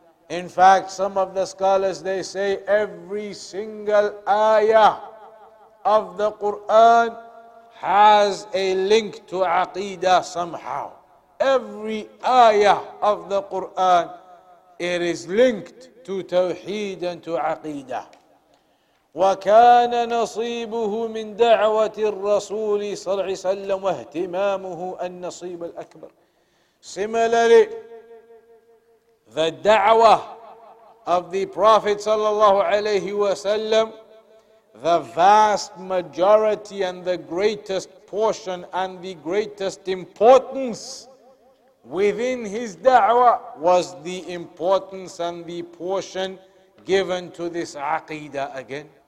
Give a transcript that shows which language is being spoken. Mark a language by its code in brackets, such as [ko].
[en] In fact, some of the scholars, they say every single ayah of the Qur'an has a link to aqidah somehow. Every ayah of the Qur'an, it is linked to tawheed and to aqidah. [ar] وكان نصيبه من دعوة الرسول صلى الله عليه وسلم واهتمامه النصيب الأكبر. [en] Similarly, the da'wah of the Prophet [ar] صلى الله عليه وسلم, [en] the vast majority and the greatest portion and the greatest importance within his da'wah was the importance and the portion given to this aqidah again.